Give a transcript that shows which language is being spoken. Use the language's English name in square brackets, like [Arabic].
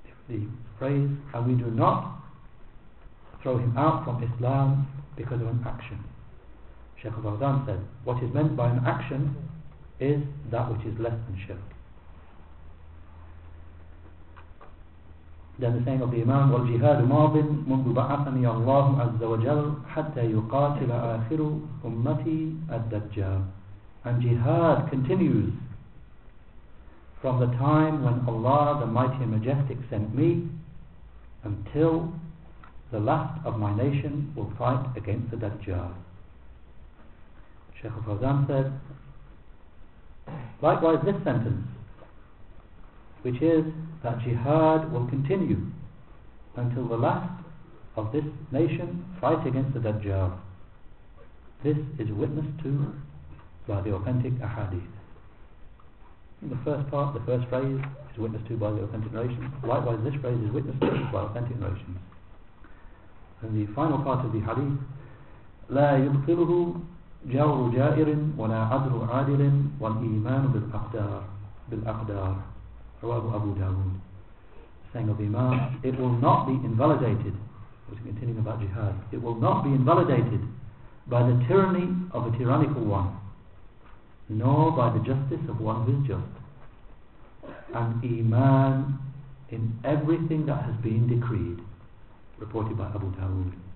[English] the phrase, and we do not throw him out from Islam because of an action. Shaykh al-Baghdan said, what is meant by an action is that which is less than shirk. Then the saying of the Imam, [Arabic] وَالْجِهَادُ مَاضٍ مُنْدُ بَعَثَنِيَ اللَّهُ عَزَّ وَجَلُ حَتَّى يُقَاتِلَ آخِرُ أُمَّتِي الدَّجَّالِ. [English] And jihad continues from the time when Allah the Mighty and Majestic sent me until the last of my nation will fight against the Dajjal. Shaykh al-Fawzan said, likewise this sentence, which is that jihad will continue until the last of this nation fight against the Dajjal. This is witnessed to by the authentic ahadith. The first part, the first phrase, is witnessed to by the authentic narration. Likewise, this phrase is witnessed to by authentic narration. And the final part of the hadith, [Arabic] لَا يُبْخِلُهُ جَوْرُ جَائِرٍ وَلَا عَدْرُ عَادِلٍ وَالْإِيمَانُ بِالْأَقْدَارِ رواه Abu Dawood. [English] Saying of the Imam, it will not be invalidated, as we continue about jihad, it will not be invalidated by the tyranny of a tyrannical one, nor by the justice of one who is just, and Iman in everything that has been decreed, reported by Abu Dawood.